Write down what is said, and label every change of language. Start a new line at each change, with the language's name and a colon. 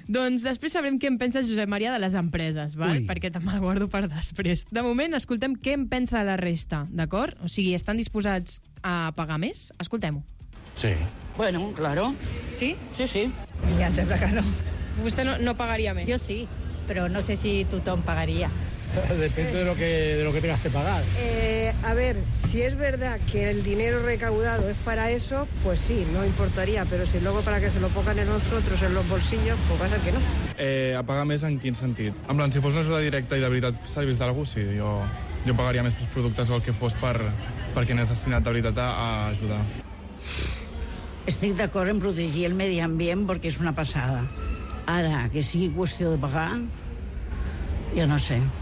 Catalan: Doncs després sabrem què en pensa Josep Maria de les empreses, val? Perquè te me'l guardo per després. De moment, escoltem què en pensa de la resta, d'acord? O sigui, estan disposats a pagar més? Escoltem-ho. Sí.
Spanish: Bueno, claro.
Catalan: Sí? Sí, sí. Ja em sembla que no. Vostè no pagaria més? Jo sí, però no sé si tothom pagaria.
Spanish: Depende de lo que tengas que pagar. A ver, si es verdad que el dinero recaudado es para eso, pues sí, no importaría. Pero si luego para que se lo pongan en nosotros, en los bolsillos, pues va a ser que no.
Catalan: A pagar més en quin sentit? En plan, si fos una ajuda directa i de veritat servís d'algú, sí. Jo pagaria més pels productes o el que fos per qui n'has destinat de veritat a ajudar. Estic d'acord en protegir el medi ambient perquè és una passada. Ara, que sigui qüestió de pagar, jo no sé.